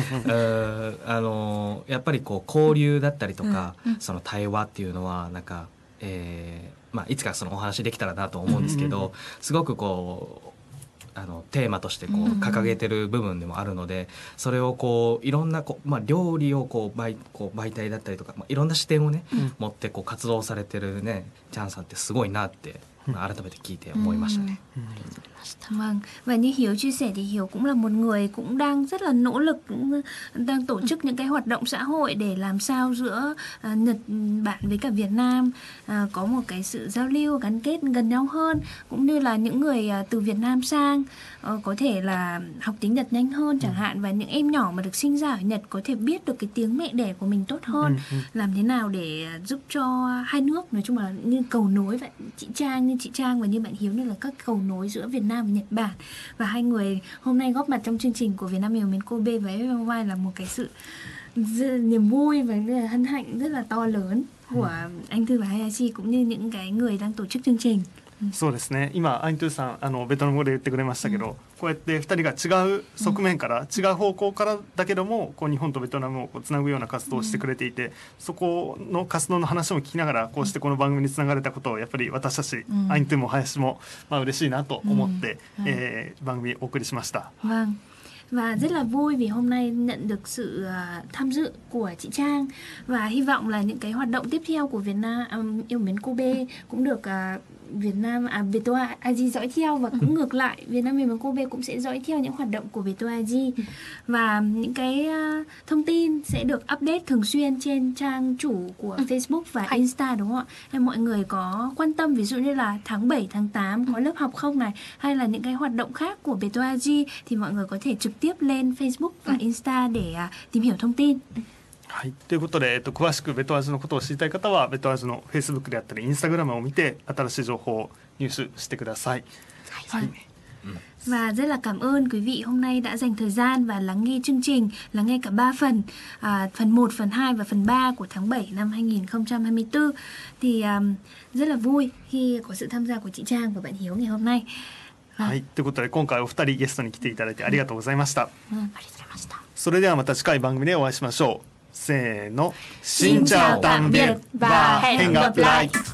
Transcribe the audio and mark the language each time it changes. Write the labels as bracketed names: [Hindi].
[Japanese] やっぱりこう交流だったりとか、その対話っていうのはなんか、まあ、いつかそのお話できたらなと思うんですけど、すごくこうあのテーマとしてこう掲げてる部分でもあるので、それをこういろんなこう、まあ、料理をこう媒体だったりとか、まあ、いろんな視点をね、持ってこう活動されてるねチャンさんってすごいなって、まあ、改めて聞いて思いましたね。 [Vietnamese] Vâng, và như Hiếu chia sẻ thì Hiếu cũng là một người cũng đang rất là nỗ lực, đang tổ chức những cái hoạt động xã hội để làm sao giữa Nhật Bản với cả Việt Nam có một cái sự giao lưu gắn kết gần nhau hơn, cũng như là những người từ Việt Nam sang có thể là học tiếng Nhật nhanh hơn chẳng hạn, và những em nhỏ mà được sinh ra ở Nhật có thể biết được cái tiếng mẹ đẻ của mình tốt hơn, làm thế nào để giúp cho hai nước nói chung là như cầu nối vậy, chị Trang và như bạn Hiếu như là các cầu nối giữa Việt Nam Nhật Bản. Và hai người hôm nay góp mặt trong chương trình của Việt Nam Yêu Mến Kobe và FMY là một cái sự niềm vui và hân hạnh rất là to lớn của anh Thư và Hayashi cũng như những cái người đang tổ chức chương trình. [Japanese] そうですね、今アイントゥーさんあのベトナム語で言ってくれましたけど、こうやって2人が違う側面から違う方向からだけどもこう日本とベトナムをこうつなぐような活動をしてくれていて、そこの活動の話も聞きながらこうしてこの番組につながれたことをやっぱり私たちアイントゥーも林も、まあ、嬉しいなと思って、番組お送りしました。 [Vietnamese] Và rất là vui vì hôm nay nhận được sự tham dự của chị Trang. Và hy vọng là những cái hoạt động tiếp theo của Việt Nam Yêu Mến Kobe cũng được Việt Nam Vietoa Aji dõi theo. Và cũng ngược lại, Việt Nam Yêu Mến Kobe cũng sẽ dõi theo những hoạt động của Vietoa Aji. Và những cái thông tin sẽ được update thường xuyên trên trang chủ của Facebook và Insta, đúng không ạ? Nên mọi người có quan tâm ví dụ như là tháng 7, tháng 8 có lớp học không này, hay là những cái hoạt động khác của Vietoa Aji, thì mọi người có thể trực tiếp lên Facebook và Insta để tìm hiểu thông tin. [Japanese] はい、ということで、詳しくベトアジのことを知りたい方はベトアジの Facebook であったり Instagram を見て新しい情報を入手してください。 [Vietnamese] はい、và rất là cảm ơn quý vị hôm nay đã dành thời gian và lắng nghe chương trình, lắng nghe cả 3 phần, phần 1, phần 2 và phần 3 của tháng 7 năm 2024. Thì rất là vui khi có sự tham gia của chị Trang và bạn Hiếu ngày hôm nay. [Japanese] はい、ということで今回お二人ゲストに来ていただいてありがとうございました。ありがとうございました。それではまた次回番組でお会いしましょう。せーの、 [Vietnamese] しんちゃおたんびん、バーヘンガプライ。